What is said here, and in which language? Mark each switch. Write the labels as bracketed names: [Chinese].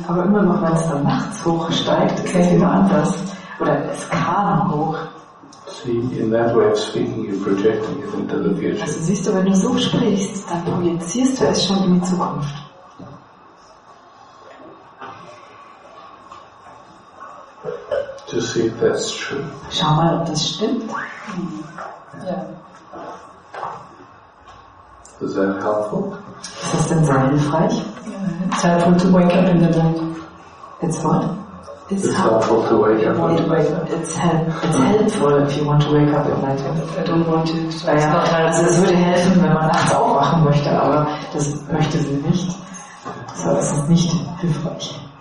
[German] Aber immer noch, wenn es dann nachts hochsteigt, ist es immer anders. Oder es kam hoch. [English] See, in that way of speaking, you're projecting it into the future. [German] Also siehst du, wenn du so sprichst, dann projizierst du es schon in die Zukunft. [English] To see if that's true. [German] Schau mal, ob das stimmt. [English] Yeah. Is that helpful? [German] Ist das denn so hilfreich? [English] It's helpful to wake up in the night. It's what? It's helpful if you want to wake up at night. I don't want to. [German] Also es würde helfen, wenn man nachts aufwachen möchte, aber das möchte sie nicht. So, es ist nicht hilfreich.